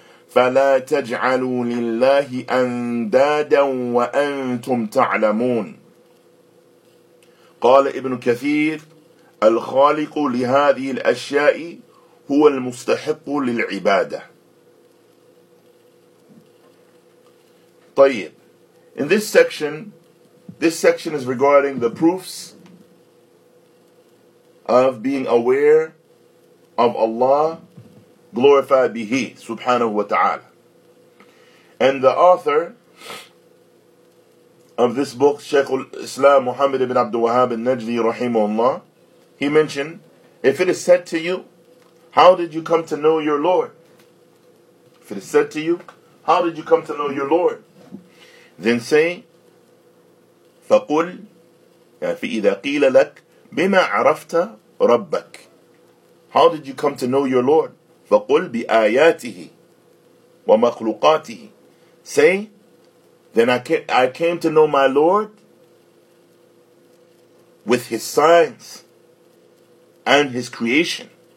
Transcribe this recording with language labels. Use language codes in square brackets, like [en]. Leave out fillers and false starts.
[ar] فلا تجعلوا لله أندادا وأنتم تعلمون قال ابن كثير الخالق لهذه الأشياء هو المستحق للعبادة. طيب, [en] in this section is regarding the proofs of being aware of Allah, glorified be He, subhanahu wa ta'ala. And the author of this book, Shaykh al-Islam Muhammad ibn Abdul Wahhab al-Najdi rahimahullah, he mentioned, if it is said to you, how did you come to know your Lord? If it is said to you, how did you come to know your Lord? Then say, [ar] فَقُلْ فَإِذَا قِيلَ لَكْ بِمَا عَرَفْتَ رَبَّكْ. [en] How did you come to know your Lord? [ar] فَقُلْ بِآيَاتِهِ وَمَخْلُقَاتِهِ. [en] Say, then I came to know my Lord with His signs and His creation.